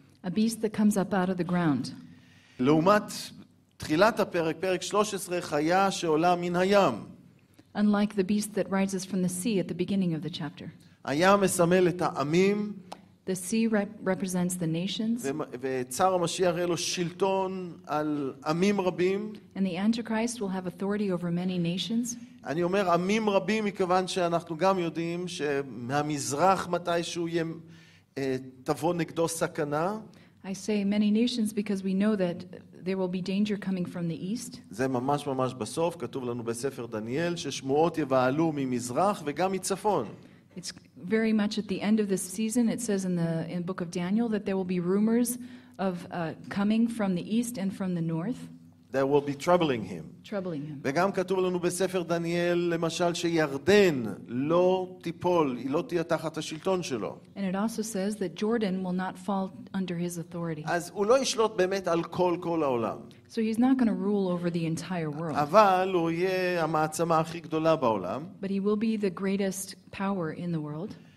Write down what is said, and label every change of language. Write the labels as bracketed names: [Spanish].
[English] A beast that comes up out of the ground. [Hebrew] לעומת תחילת הפרק, פרק 13, חיה שעולה מן הים. [English] Unlike the beast that rises from the sea at the beginning of the chapter. [Hebrew] הים מסמל את העמים. [English] The sea represents the nations. [Hebrew] וצר המשיח יהיה לו שלטון על עמים רבים. [English] And the Antichrist will have authority over many nations. [Hebrew] אני אומר עמים רבים מכיוון שאנחנו גם יודעים שמהמזרח מתישהו תבוא נגדו סכנה. [English] I say many nations because we know that there will be danger coming from the east. [Hebrew] זה ממש ממש בסוף כתוב לנו בספר דניאל ששמועות יבעלו ממזרח וגם מצפון. [English] It's very much at the end of this season it says in the book of Daniel that there will be rumors of coming from the east and from the north. That will be troubling him. Troubling him. [Hebrew] וגם כתוב לנו בספר דניאל למשל שירדן לא תיפול, היא לא תהיה תחת השלטון שלו. [English] And it also says that Jordan will not fall under his authority. [Hebrew] אז הוא לא ישלוט באמת על כל העולם. [English] So he's not going to rule over the entire world. [Hebrew] אבל הוא יהיה המעצמה הכי גדולה בעולם. [English] But he will be the greatest power in the world.